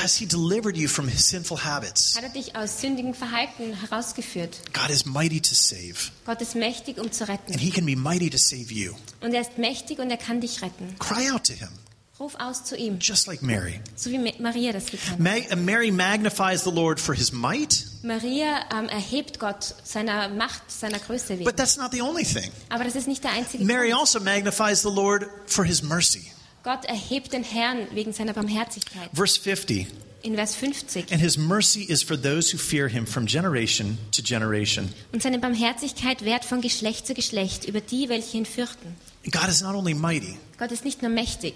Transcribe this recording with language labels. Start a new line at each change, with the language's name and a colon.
English: Has he delivered you from his sinful habits?
German: Hat er dich aus sündigen Verhalten herausgeführt?
English: God is mighty to save.
German: Gott ist mächtig, um zu retten.
English: And he can be mighty to save you.
German: Und er ist mächtig und er kann dich retten.
English: Cry out to him.
German: Ruf aus zu ihm.
English: Just like Mary.
German: So wie Maria das getan hat.
English: Mary magnifies the Lord for his might.
German: Maria erhebt Gott seiner Macht, seiner Größe wegen.
English: But that's not the only thing.
German: Aber das ist nicht der einzige
English: Mary
German: Grund.
English: Also magnifies the Lord for his mercy.
German: Gott erhebt den Herrn wegen seiner Barmherzigkeit.
English: Verse 50.
German: In Vers 50.
English: And his mercy is for those who fear him from generation to generation.
German: Und seine Barmherzigkeit währt von Geschlecht zu Geschlecht über die, welche ihn fürchten.
English: God is not only mighty.
German: Gott ist nicht nur mächtig.